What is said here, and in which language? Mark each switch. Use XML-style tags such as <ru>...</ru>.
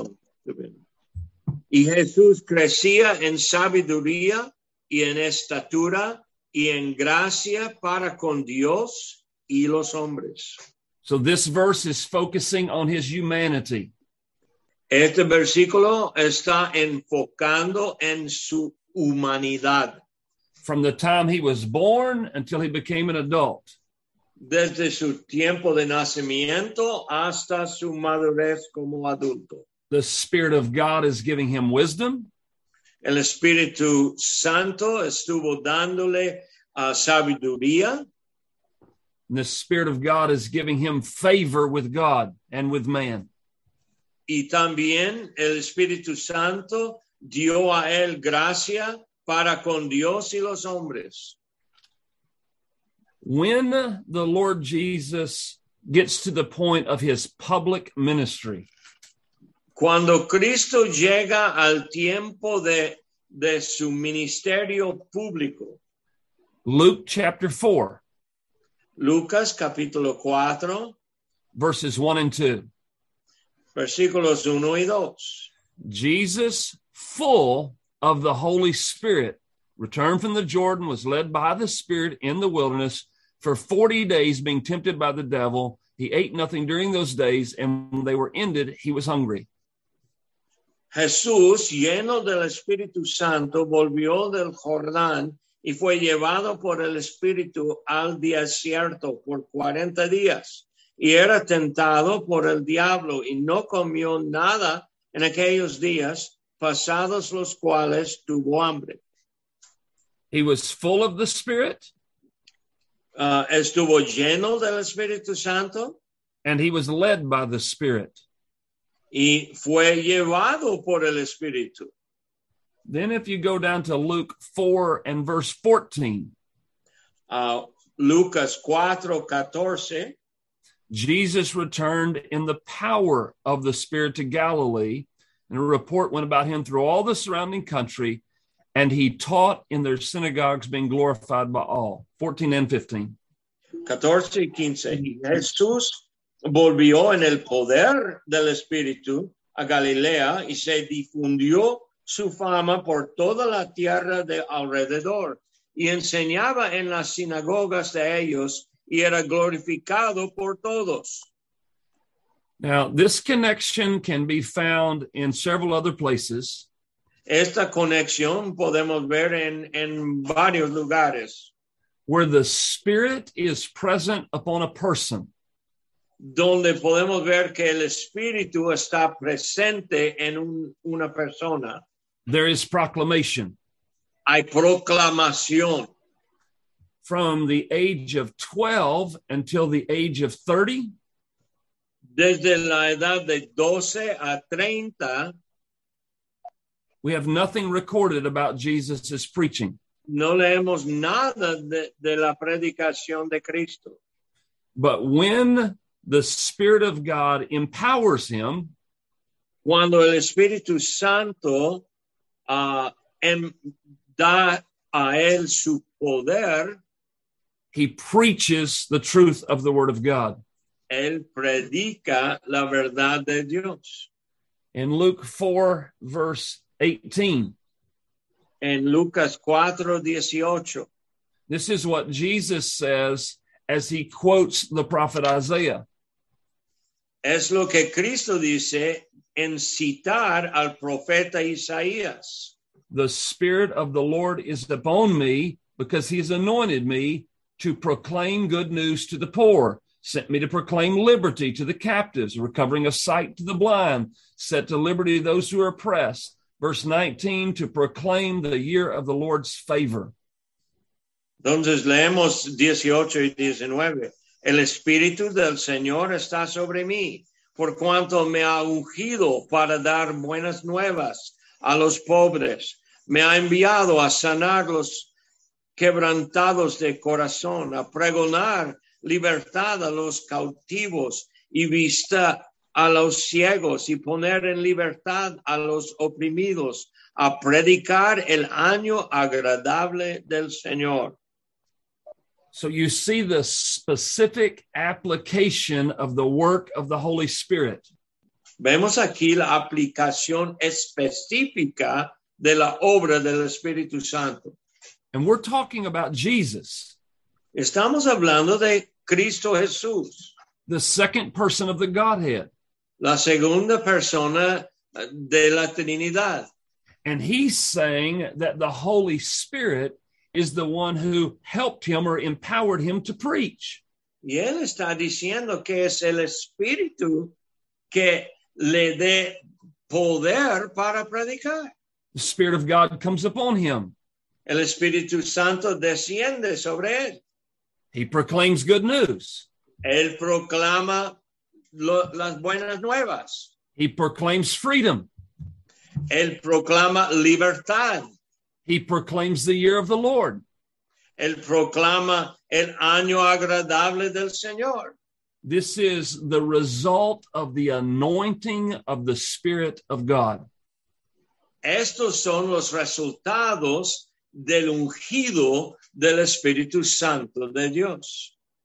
<es>Perdón. Y Jesús crecía en sabiduría y en estatura. Y en gracia para con Dios y los hombres.</es> <en>So this verse is focusing on his humanity.</en> <es>Este versículo está enfocando en su humanidad.</es> <en>From the time he was born until he became an adult.</en> <es>Desde su tiempo de nacimiento hasta su madurez como adulto.</es> <en>The Spirit of God is giving him wisdom.</en> <es>El Espíritu Santo estuvo dándole sabiduría.</es> <en>And the Spirit of God is giving him favor with God and with man.</en> <es>Y también el Espíritu Santo dio a él gracia para con Dios y los hombres.</es> <en>When the Lord Jesus gets to the point of his public ministry,</en> <es>cuando Cristo llega al tiempo de su ministerio público.</es> <en>Luke chapter 4.</en> <es>Lucas capítulo 4.</es> <en>Verses 1 and 2.</en> <es>Versículos 1 y 2.</es> <en>Jesus, full of the Holy Spirit, returned from the Jordan, was led by the Spirit in the wilderness for 40 days, being tempted by the devil. He ate nothing during those days, and when they were ended, he was hungry.</en> <es>Jesús, lleno del Espíritu Santo, volvió del Jordán y fue llevado por el Espíritu al desierto por 40 días. Y era tentado por el diablo y no comió nada en aquellos días, pasados los cuales tuvo hambre.</es> <en>He was full of the Spirit.</en> <es>Estuvo lleno del Espíritu Santo.</es> <en>And he was led by the Spirit.</en> <es>Y fue llevado por el Espíritu.</es> <en>Then if you go down to Luke 4 and verse 14.</en> <es>Lucas 4, 14.</es> <en>Jesus returned in the power of the Spirit to Galilee. And a report went about him through all the surrounding country. And he taught in their synagogues, being glorified by all. 14 and 15.</en> <es>14 y 15. Jesús volvió en el poder del Espíritu a Galilea y se difundió su fama por toda la tierra de alrededor y enseñaba en las sinagogas de ellos y era glorificado por todos.</es> <en>Now, this connection can be found in several other places.</en> <es>Esta conexión podemos ver en varios lugares.</es> <en>Where the Spirit is present upon a person.</en> <es>Donde podemos ver que el Espíritu está presente en una persona.</es> <en>There is proclamation.</en> <es>Hay proclamación.</es> <en>From the age of 12 until the age of 30.</en> <es>Desde la edad de 12 a 30.</es> <en>We have nothing recorded about Jesus's preaching.</en> <es>No leemos nada de la predicación de Cristo.</es> <en>But when the Spirit of God empowers him.</en> <es>Cuando el Espíritu Santo da a él su poder,</es> <en>he preaches the truth of the Word of God.</en> <es>Él predica la verdad de Dios.</es> <en>In Luke 4, verse 18.</en> <es>En Lucas 4, 18.</es> <en>This is what Jesus says as he quotes the prophet Isaiah.</en> <es>Es lo que Cristo dice en citar al profeta Isaías.</es> <en>the Spirit of the Lord is upon me because he has anointed me to proclaim good news to the poor, sent me to proclaim liberty to the captives, recovering of sight to the blind, set to liberty those who are oppressed. Verse 19, to proclaim the year of the Lord's favor.</en> <es>Entonces leemos 18 y 19. El Espíritu del Señor está sobre mí, por cuanto me ha ungido para dar buenas nuevas a los pobres. Me ha enviado a sanar los quebrantados de corazón, a pregonar libertad a los cautivos y vista a los ciegos y poner en libertad a los oprimidos, a predicar el año agradable del Señor.</es> <en>So you see the specific application of the work of the Holy Spirit.</en> <es>Vemos aquí la aplicación específica de la obra del Espíritu Santo.</es> <en>And we're talking about Jesus.</en> <es>Estamos hablando de Cristo Jesús.</es> <en>The second person of the Godhead.</en> <es>La segunda persona de la Trinidad.</es> <en>And he's saying that the Holy Spirit is the one who helped him or empowered him to preach.</en> <es>Y él está diciendo que es el Espíritu que le dé poder para predicar.</es> <en>The Spirit of God comes upon him.</en> <es>El Espíritu Santo desciende sobre él.</es> <en>He proclaims good news.</en> <es>Él proclama las buenas nuevas.</es> <en>He proclaims freedom.</en> <es>Él proclama libertad.</es> <en>He proclaims the year of the Lord.</en> <es>Él proclama el año agradable del Señor.</es> <en>This is the result of the anointing of the Spirit of God.</en> <es>Estos son los resultados del ungido del Espíritu Santo de Dios.</es>